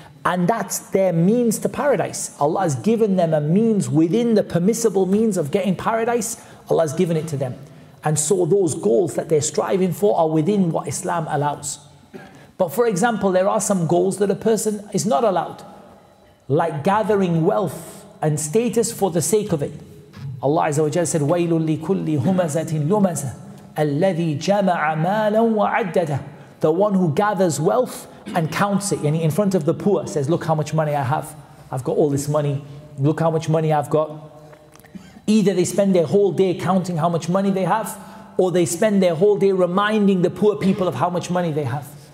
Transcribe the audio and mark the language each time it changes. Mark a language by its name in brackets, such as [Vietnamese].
[English] And that's their means to paradise. Allah has given them a means within the permissible means of getting paradise. Allah has given it to them. And so those goals that they're striving for are within what Islam allows. But for example, there are some goals that a person is not allowed. Like gathering wealth and status for the sake of it. Allah Azza wa Jalla said, [Arabic] وَيْلٌ لِكُلِّ هُمَزَةٍ لُمَزَةٍ الَّذِي جَمَعَ مَالًا وَعَدَّدَهُ. [English] The one who gathers wealth and counts it, yani in front of the poor, says, look how much money I have. I've got all this money. Look how much money I've got. Either they spend their whole day counting how much money they have, or they spend their whole day reminding the poor people of how much money they have.